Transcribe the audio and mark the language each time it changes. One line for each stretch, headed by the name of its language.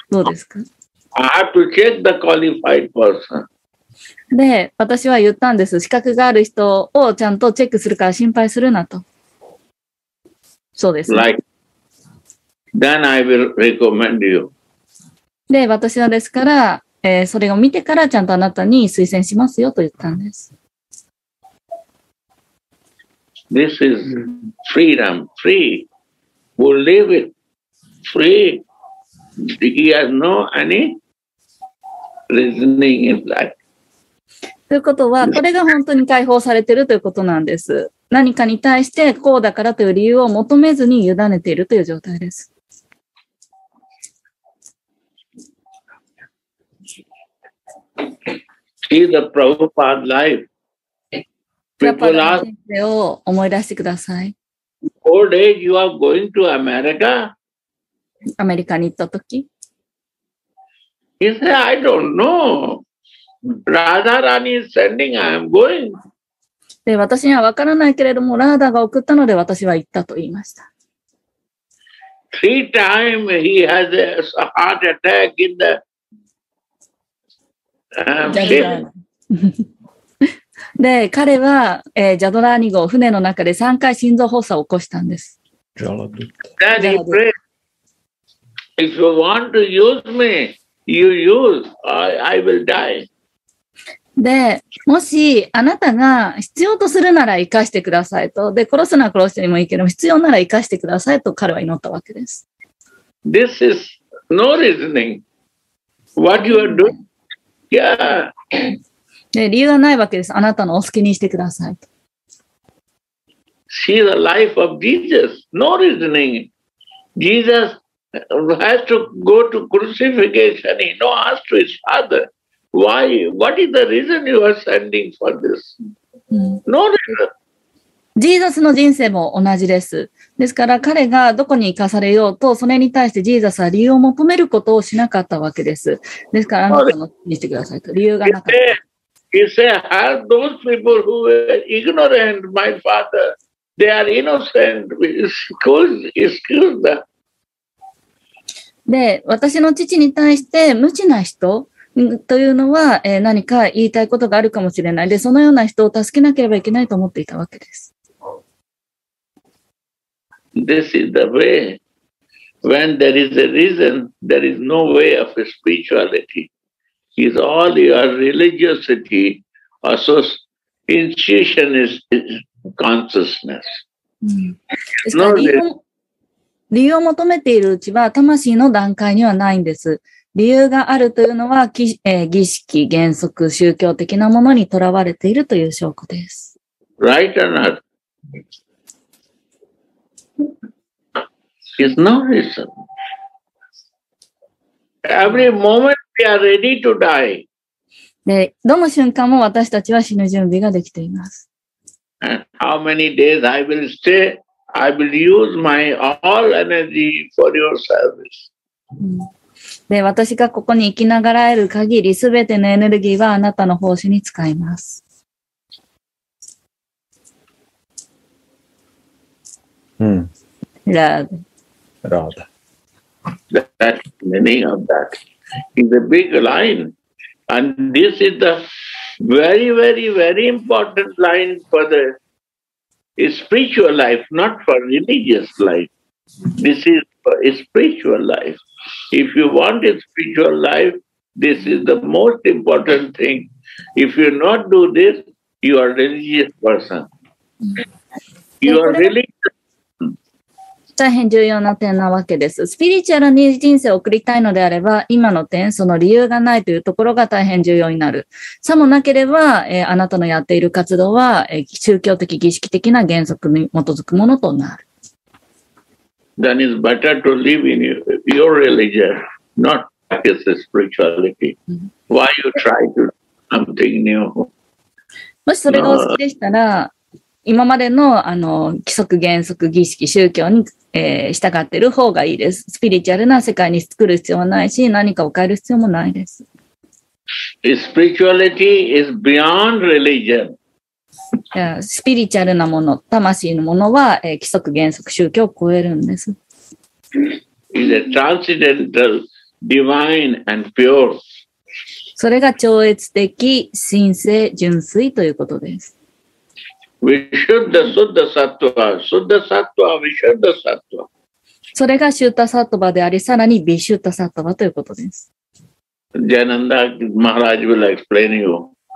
Japanese: どうですか?
English: I have to check the qualified person.
Japanese: で、私は言ったんです。資格がある人をちゃんとチェックするから心配するなと。そうです、ね。
English: Like, then I will recommend you.
Japanese: で、私はですから、それを見てからちゃんとあなたに推薦しますよと言ったんです。
English: This is freedom, free. We'll live it free. he has no any reasoning in that.
Japanese: ということは、これが本当に解放されているということなんです。何かに対してこうだからという理由を求めずに委ねているという状態です。
English: See the Prabhupada life. People ask.
Japanese: プラパダの人生を思い出してください。
English: Four days you are going to America?
Japanese: アメリカに行ったとき。
English: He said, I don't know. Radharani is sending, I am going.
Japanese: で私には分からないけれどもラーダが送ったので私は行ったと言いました。
English: Three times he has a heart attack in the
Japanese: ジャドラーニ。で彼は、ジャドラーニ号船の中で3回心臓発作を起こしたんです。ジャドラーニ。
English: Then he prayed, if you want to use me, you use. I will die.
Japanese: でもしあなたが必要とするなら生かしてくださいと、で殺すなら殺してもいいけど必要なら生かしてくださいと彼は祈ったわけです。
English: This is no reasoning what you are doing. Yeah.
Japanese: で理由はないわけです。あなたのお好きにしてくださいと。
English: See the life of Jesus. No reasoning. Jesus has to go to crucifixion. He no ask to his fatherWhy? What is the reason you are sending for this? No reason.
Japanese: Jesus の人生も同じです。ですから彼がどこに生かされようと、それに対してジーザスは理由を求めることをしなかったわけです。ですからあなたも見てくださいと。理由がなかった。
English: He said, have those people who were ignorant, my father, they are innocent. Excuse them.
Japanese: で、私の父に対して無知な人、というのは、何か言いたいことがあるかもしれない。で、そのような人を助けなければいけないと思っていたわけです。
English: This is the way. When there is a reason, there is no way of spirituality. It's all your religiosity, association is consciousness. No, this.
Japanese: 理由を求めているうちは、魂の段階にはないんです。理由があるというのは、儀式、原則、宗教的なものにとらわれているという証拠です。
English: Right or not? It's no reason. Every moment we are ready to die.
Japanese: で、どの瞬間も私たちは死ぬ準備ができています。
English: And how many days I will stay? I will use my all energy for your service.
Japanese: で私がここに生きながらえる限り、すべてのエネルギーはあなたの奉仕に使います。うん。ラーダ。ラーダ。
English: That's the meaning of that. It's a big line. And this is the very, very, very important line for the spiritual life, not for religious life. This is for spiritual life. If you want a spiritual life, this is the most important thing. If you not do this, you are a religious person. You are religious.
Japanese: 大変重要な点なわけです。スピリチュアルに人生を送りたいのであれば、今の点、その理由がないというところが大変重要になる。さもなければ、あなたのやっている活動は、宗教的、儀式的な原則に基づくものとなる。
English: Then it's better to live in your religion, not his spirituality. Why you try to do something new?
Japanese: もしそれがお好きでしたら、今までの、規則、原則、儀式、宗教に、従っている方がいいです。スピリチュアルな世界に作る必要はないし、何かを変える必要もないです。
English: Spirituality is beyond religion.
Japanese: スピリチュアルなもの、魂のものは、規則、原則、宗教を超えるんです。
English: It's a transcendental, divine and pure.
Japanese: それが超越的、神聖、純粋ということです。
English: We should the Suddha Sattva, Suddha Sattva, Vishuddha Sattva.
Japanese: それがシュータサトバであり、さらにビシュータサトバということです。
English: ジャナンダ・マハラジ will explain you.